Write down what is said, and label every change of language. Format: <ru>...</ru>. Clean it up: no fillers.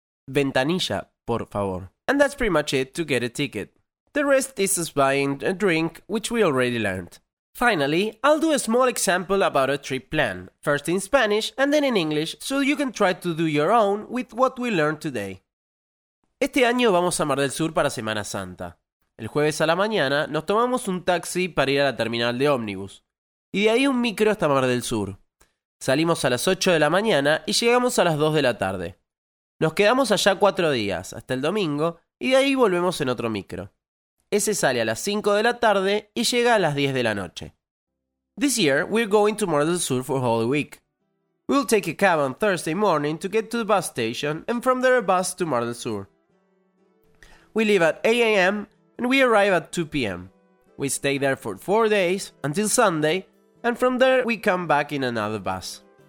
<es>Ventanilla, por favor.</es> <en>And that's pretty much it to get a ticket. The rest is us buying a drink, which we already learned. Finally, I'll do a small example about a trip plan, first in Spanish and then in English, so you can try to do your own with what we learned today.</en> <es>Este año vamos a Mar del Sur para Semana Santa. El jueves a la mañana nos tomamos un taxi para ir a la terminal de ómnibus. Y de ahí un micro hasta Mar del Sur. Salimos a las 8 de la mañana y llegamos a las 2 de la tarde. Nos quedamos allá 4 días, hasta el domingo, y de ahí volvemos en otro micro. Ese sale a las 5 de la tarde y llega a las 10 de la noche.</es> <en>This year, we're going to Mar del Sur for Holy Week. We'll take a cab on Thursday morning to get to the bus station and from there a bus to Mar del Sur. We leave at 8 a.m. and we arrive at 2 p.m. We stay there for 4 days until Sunday and from there we come back in another bus.</en>